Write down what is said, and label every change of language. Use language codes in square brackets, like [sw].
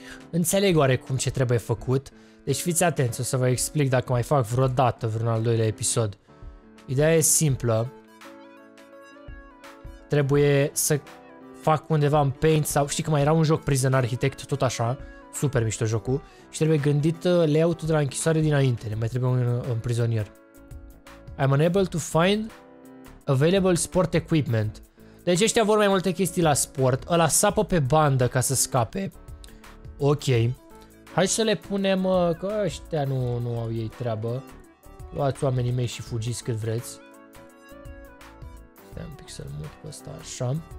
[ro] Înțeleg oarecum ce trebuie făcut, deci fiți atenți, o să vă explic dacă mai fac vreodată vreun al doilea episod. Ideea e simplă, trebuie să fac undeva în Paint sau știi că mai era un joc Prison Architect, tot așa. Super mișto jocul și trebuie gândit layout-ul de la închisoare dinainte, ne mai trebuie un prizonier. [en] I'm unable to find available sport equipment. [ro] Deci ăștia vor mai multe chestii la sport, ăla sapă pe bandă ca să scape. Ok, hai să le punem, că ăștia nu au ei treabă. Luați oamenii mei și fugiți cât vreți. Stai un pic să-l mut pe ăsta așa.